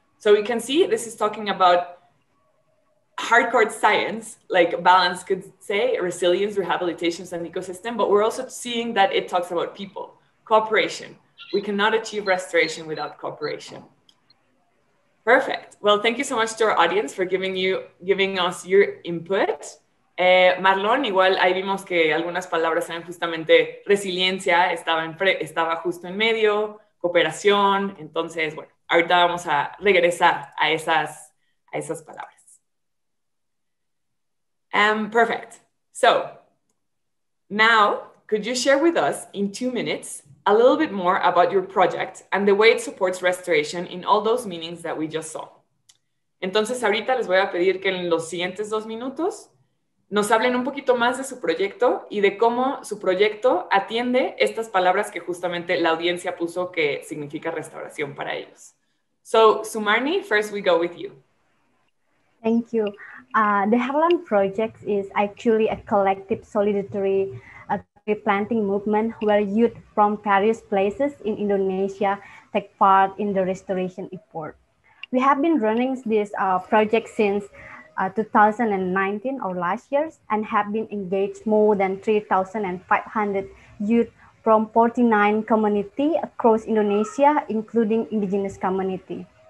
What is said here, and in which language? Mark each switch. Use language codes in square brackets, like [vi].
[en] So we can see this is talking about hardcore science, like balance could say, resilience, rehabilitation, and ecosystem, but we're also seeing that it talks about people, cooperation. We cannot achieve restoration without cooperation. Perfect. Well, thank you so much to our audience for giving us your input. [es] Marlon, igual ahí vimos que algunas palabras eran justamente resiliencia, estaba justo en medio, cooperación. Entonces, bueno, ahorita vamos a regresar a esas palabras. [en] Perfect. So now, could you share with us in 2 minutes a little bit more about your project and the way it supports restoration in all those meanings that we just saw? [es] Entonces, ahorita les voy a pedir que en los siguientes 2 minutos nos hablen un poquito más de su proyecto y de cómo su proyecto atiende estas palabras que justamente la audiencia puso que significa restauración para ellos. [en] So, Sumarni, first we go with you. Thank you. The Havilland Project is actually a collective solidarity tree planting movement where youth from various places in Indonesia take part in the restoration effort. We have been running this project since 2019 or last year and have been engaged more than 3,500 youth from 49 communities across Indonesia, including indigenous community.